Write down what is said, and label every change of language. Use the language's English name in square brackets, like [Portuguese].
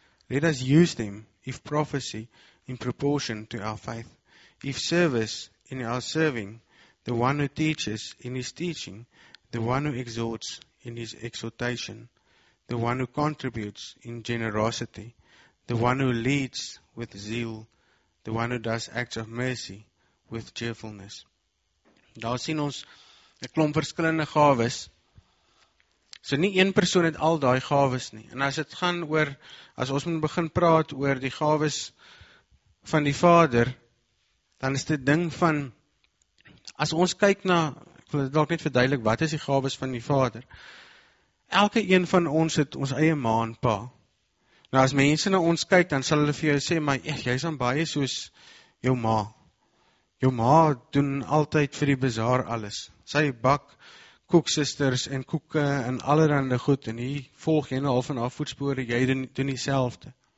[English] Let us use them, if prophecy, in proportion to our faith, if service, in our serving, the one who teaches in his teaching, the one who exhorts in his exhortation, the one who contributes in generosity, the one who leads with zeal, the one who does acts of mercy with cheerfulness. [Afrikaans] Daar sien ons 'n klomp verskillende gawes. So nie een persoon het al daai gawes nie. En as dit gaan oor, as ons moet begin praat oor die gawes van die Vader, dan is dit ding van, as ons kyk na, ek wil dalk net verduidelik, wat is die gawes van die Vader? Elke een van ons het ons eie ma en pa. Nou as mense na ons kyk, dan sal hulle vir jou sê, maar jy is aan baie soos jou ma. Jou ma doen altyd vir die bazaar alles. Sy bak koeksisters en koeke en allerhande goed, en hier volg jy nou al van haar voetspore, jy doen dieselfde.